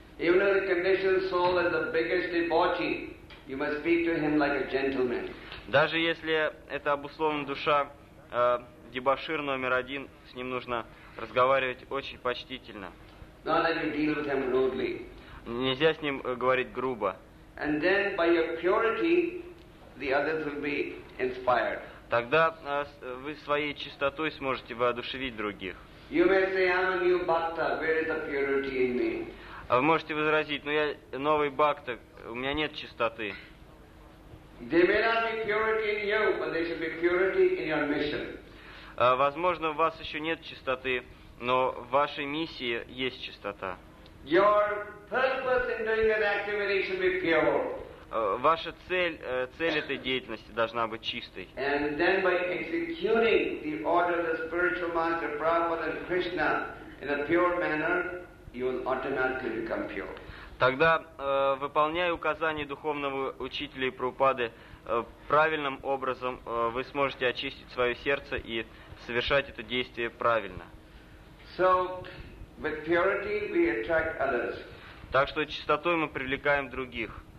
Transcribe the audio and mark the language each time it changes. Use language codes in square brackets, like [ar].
[en] Even if the conditioned soul is the biggest debauchee, you must speak to him like a gentleman. [ru] Даже если это обусловленная душа дебошир номер один, с ним нужно разговаривать очень почтительно. [en] Not that you deal with him rudely. [ru] Нельзя с ним говорить грубо. [en] And then by your purity, the others will be inspired. [ru] Тогда вы своей чистотой сможете воодушевить других. [en] You may say, I'm a new bhakta, where is the purity in me? [ru] Вы можете возразить, но я новый бхакта, у меня нет чистоты. [en] There may not be purity in you, but there should be purity in your mission. [ru] Возможно, у вас еще нет чистоты, но в вашей миссии есть чистота. [en] Your purpose in doing that activity should be pure. [ru] Ваша цель этой деятельности должна быть чистой. [en] And then by executing the order of the spiritual master Prabhupada and Krishna in a pure manner, you will automatically become pure. [ru] Тогда, выполняя указания духовного учителя и Прабхупады правильным образом, вы сможете очистить свое сердце и совершать это действие правильно. [en] So, with purity we attract others. [ru] Так что чистотой мы привлекаем других.